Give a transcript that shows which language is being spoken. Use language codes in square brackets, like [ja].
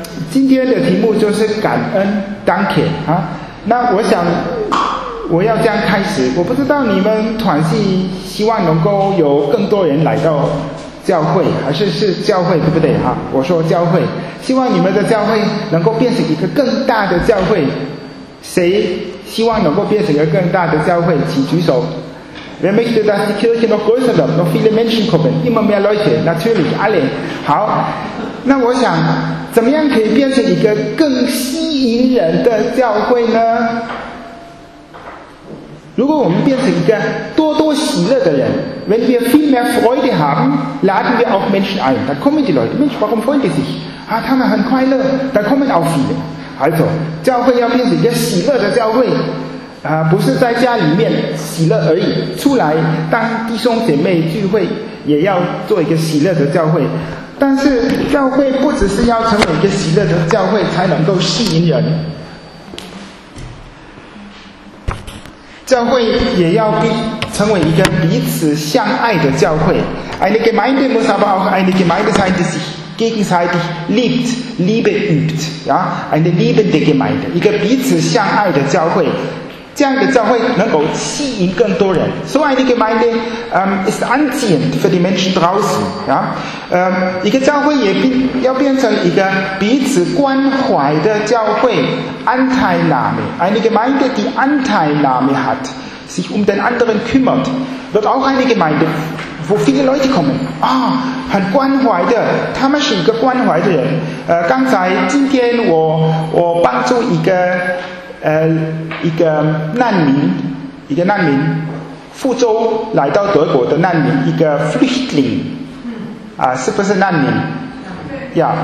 [zh] 今天的题目就是感恩 Danke, 那我想我要这样开始，我不知道你们团契希望能够有更多人来到教会，还是是教会对不对啊？我说教会，希望你们的教会能够变成一个更大的教会。谁希望能够变成一个更大的教会，请举手。 [de] Wer möchte, dass die Kirche noch größer wird, noch viele Menschen kommen, immer mehr Leute, natürlich, alle. [zh] 好，那我想怎么样可以变成一个更吸引人的教会呢？如果我们变成一个多多喜乐的人 [de] ，Wenn wir viel mehr Freude haben, laden wir auch Menschen ein. Da kommen die Leute. Mensch, warum freuen die sich? [zh] 他们很快乐。 [de] Da kommen auch viele. [zh] Also, 教会要变成一个喜乐的教会，不是在家里面喜乐而已。出来当弟兄姐妹聚会，也要做一个喜乐的教会。但是教会不只是要成为一个喜乐的教会才能够吸引人，教会也要成为一个彼此相爱的教会。 [de] Eine Gemeinde muss aber auch eine Gemeinde sein, die sich gegenseitig liebt, Liebe übt, ja? Eine liebende Gemeinde, [zh] 一个彼此相爱的教会，这样的教会能够吸引更多人。 [de] So eine Gemeinde ist anziehend für die Menschen draußen, ja? [zh] 一个教会也要变成一个彼此关怀的教会， [de] Anteilnahme, eine Gemeinde, die Anteilnahme hat, sich den anderen kümmert, wird auch eine Gemeinde, wo viele Leute kommen. [zh] 很关怀的，他们是一个关怀的人。刚才今天我帮助一个一个难民福州来到德国的难民，一个 flüchtling 是不是难民呀？